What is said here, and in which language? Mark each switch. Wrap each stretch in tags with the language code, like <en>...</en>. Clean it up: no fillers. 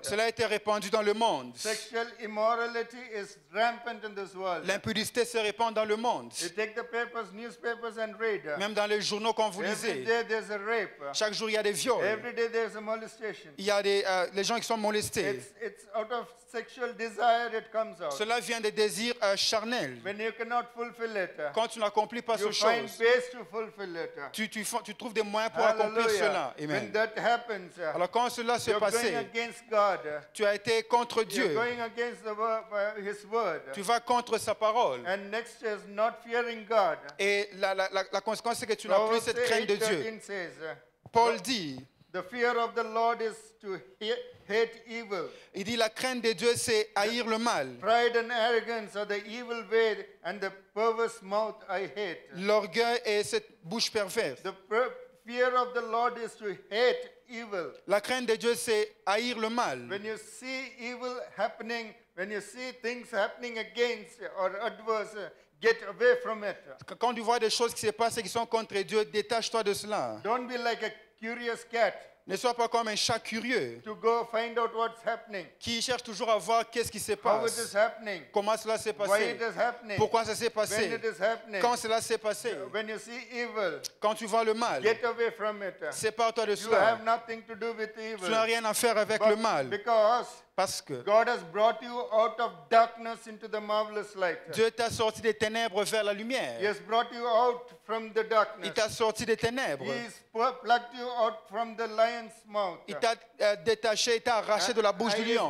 <fr>Cela a été répandu dans le monde.</fr> <en>Sexual immorality is rampant in this world.</en> <fr>L'impudicité se répand dans le monde.</fr> <en>You take the papers, newspapers and read.</en> <fr>Même dans les journaux quand vous lisez.</fr> <en>Every day there's a rape.</en> <fr>Chaque jour, il y a des viols.</fr> <en>Every day there's a molestation.</en> <fr>Il y a les gens qui sont molestés.</fr> <en>It's out of sexual desire it comes out.</en> <fr>Cela vient des désirs charnel.</fr> <en>When you cannot fulfill it,</en> <fr>quand tu n'accomplis pas</fr> <en>you</en> <fr>ce chose,</fr> <en>find ways to fulfill it.</en> <fr>Tu trouves des moyens pour accomplir cela. Amen.</fr> <en>When that happens,</en> <fr>alors quand cela s'est passé,</fr> <en>going against God,</en> <fr>tu as été contre Dieu.</fr> <en>You're going against the word, his word,</en> <fr>tu vas contre sa parole.</fr> <en>And next is not fearing God.</en> <fr>Et la conséquence, c'est que tu n'as plus cette crainte de Dieu.</fr> <en>Says,</en> <fr>Paul dit,</fr> <en>the fear of the Lord is to hate evil.</en> <fr>Il dit la crainte de Dieu c'est haïr le mal.</fr> <en>Pride and arrogance are the evil way and the perverse mouth I hate.</en> <fr>L'orgueil est cette bouche perverse.</fr> <en>The fear of the Lord is to hate evil.</en> <fr>La crainte de Dieu c'est haïr le mal.</fr> <en>When you see evil happening, when you see things happening against or adverse, get away from it.</en> <fr>Quand tu vois des choses qui se passent et qui sont contre Dieu, détache-toi de cela.</fr> <en>Don't be like a curious cat.</en> <fr>Ne sois pas comme un chat curieux</fr> <en>to go find out what's happening.</en> <fr>Qui cherche toujours à voir qu'est-ce qui se passe.</fr> <en>How it is happening.</en> <fr>Comment cela s'est passé.</fr> <en>Why it is happening.</en> <fr>Pourquoi ça s'est passé.</fr> <en>When it is happening.</en> <fr>Quand cela s'est passé.</fr> <en>When you see evil,</en> <fr>quand tu vois le mal,</fr> <en>get away from it.</en> <fr>Sépare-toi de cela.</fr> <en>You have nothing to do with evil.</en> <fr>Tu n'as rien à faire avec</fr> <en>But</en> <fr>le mal.</fr> <en>Because</en> <fr>parce que</fr> <en>God has brought you out of darkness into the marvelous light.</en> <fr>Dieu t'a sorti des ténèbres vers la lumière.</fr> <en>He has brought you out from the darkness.</en> <fr>Il t'a sorti des ténèbres.</fr> <en>He has plucked you out from the lion's mouth.</en> <fr>Il t'a détaché, il t'a arraché de la bouche du lion.</fr>